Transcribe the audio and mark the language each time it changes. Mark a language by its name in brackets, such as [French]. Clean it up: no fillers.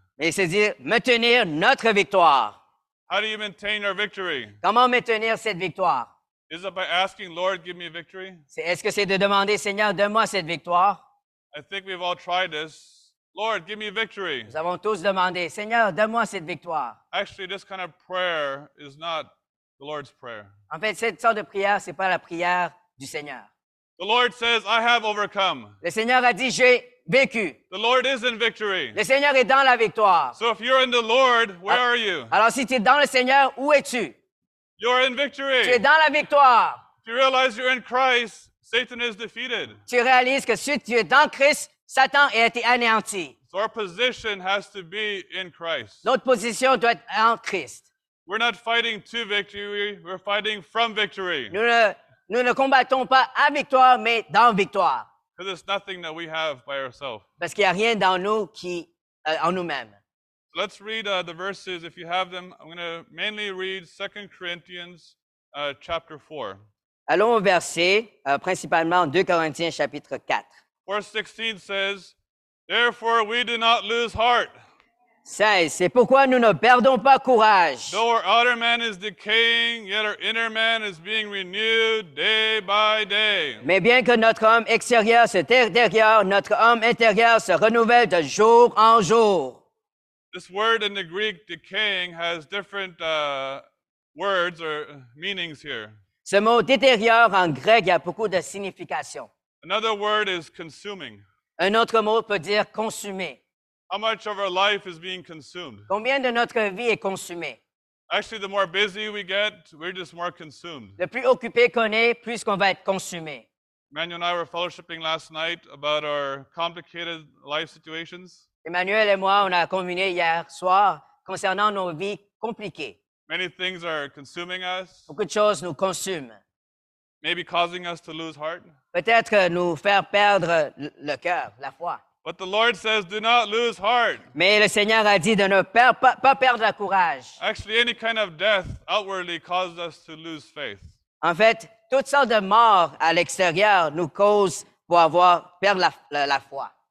[French] Mais c'est dire maintenir notre victoire. [English] How do you maintain our victory? [French] Comment maintenir cette victoire? [English] Is it by asking, Lord, give me victory? [French] Est-ce que c'est de demander, Seigneur, donne-moi cette victoire? [English] I think we've all tried this. Lord, give me victory. [French] Nous avons tous demandé, Seigneur, donne-moi cette victoire. [English] Actually, this kind of prayer is not the Lord's prayer. [French] En fait, cette sorte de prière, c'est pas la prière du Seigneur. [English] The Lord says, I have overcome. [French] Le Seigneur a dit, j'ai vécu. [English] The Lord is in victory. [French] Le Seigneur est dans la victoire. [English] So if you're in the Lord, where are you? [French] Alors si tu es dans le Seigneur, où es-tu? [English] You're in victory. [French] Tu es dans la victoire. [English] If you realize you're in Christ, Satan is defeated. [French] Tu réalises que si tu es dans Christ, Satan a été anéanti. [English] So our position has to be in Christ. [French] Notre position doit être en Christ. [English] We're not fighting to victory, we're fighting from victory. [French] Nous ne combattons pas à victoire, mais dans victoire. [English] Because it's nothing that we have by ourselves. [French] Parce qu'il n'y a rien dans nous qui en nous-mêmes. [English] So let's read the verses if you have them. I'm going to mainly read 2 Corinthians chapter 4. [French] Allons au verset, principalement 2 Corinthiens chapitre 4. [English] 4:16 says, therefore we do not lose heart. [French] 16, c'est pourquoi nous ne perdons pas courage. [English] Though our outer man is decaying, yet our inner man is being renewed day by day. [French] Mais bien que notre homme extérieur se détériore, notre homme intérieur se renouvelle de jour en jour. [English] This word in the Greek, decaying, has different words or meanings here. [French] Ce mot détériore en grec, il y a beaucoup de significations. [English] Another word is consuming. [French] Un autre mot peut dire consumer. [English] How much of our life is being consumed? [French] Combien de notre vie est consumée? [English] Actually, the more busy we get, we're just more consumed. [French] Le plus occupé qu'on est, plus qu'on va être consumé. [English] Emmanuel and I were fellowshipping last night about our complicated life situations. [French] Emmanuel et moi, on a communé hier soir concernant nos vies compliquées. [English] Many things are consuming us. [French] Beaucoup de choses nous consument. [English] Maybe causing us to lose heart. [French] Peut-être nous faire perdre le cœur, la foi. [English] But the Lord says, do not lose heart. [French] Mais le Seigneur a dit de ne pas perdre la courage. [English] Actually, any kind of death outwardly causes us to lose faith. [French] En fait, toutes sortes de morts à l'extérieur nous causent pour avoir perdre la foi.